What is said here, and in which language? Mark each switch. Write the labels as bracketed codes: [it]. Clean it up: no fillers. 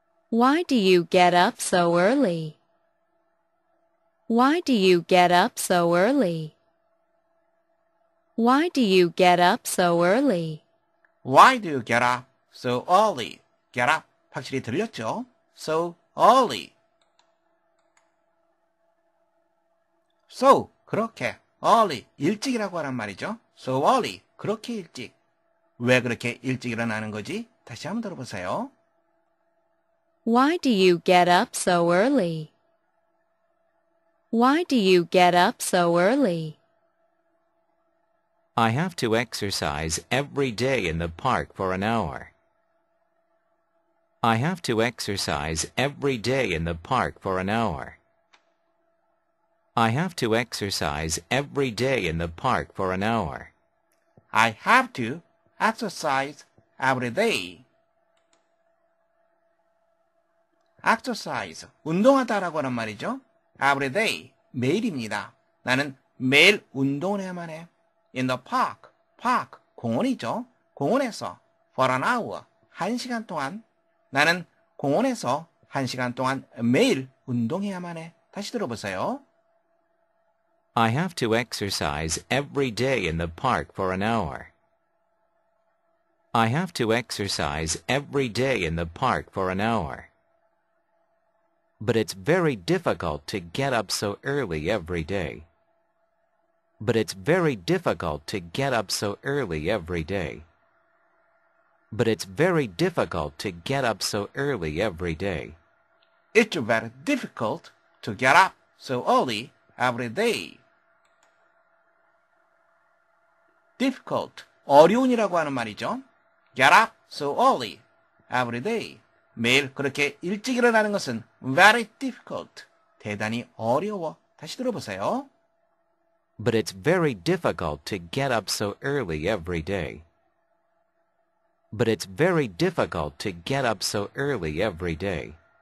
[en] Why do you get up so early? Why do you get up so early? Why do you get up so early? Why do you get up so early? Get up [ko] 확실히 들렸죠? [en] So early. [ko] So 그렇게 early 일찍이라고 하란 말이죠? [en] So early [ko] 그렇게 일찍. 왜 그렇게 일찍 일어나는 거지? 다시 한번 들어보세요. [en] Why do you get up so early? Why do you get up so early? I have to exercise every day in the park for an hour. I have to exercise every day in the park for an hour. I have to exercise every day in the park for an hour. I have to exercise every day. [ko] Exercise, 운동하다라고 하는 말이죠. [en] Every day. [ko] 매일입니다. 나는 매일 운동을 해야만 해. [en] In the park. [ko] Park. 공원이죠. 공원에서. [en] For an hour. [ko] 한 시간 동안. 나는 공원에서 한 시간 동안 매일 운동해야만 해. 다시 들어보세요. [en] I have to exercise every day in the park for an hour. I have to exercise every day in the park for an hour. But it's very difficult to get up so early every day. But it's very difficult to get up so early every day. But it's very difficult to get up so early every day. It's very difficult to get up so early every day. [ko] Difficult, 어려운이라고 하는 말이죠. [en] Get up so early every day. [ko] 매일 그렇게 일찍 일어나는 것은 [en] very difficult, [ko] 대단히 어려워. 다시 들어보세요. [en] But it's very difficult to get up so early every day. But it's very difficult to get up so early every day.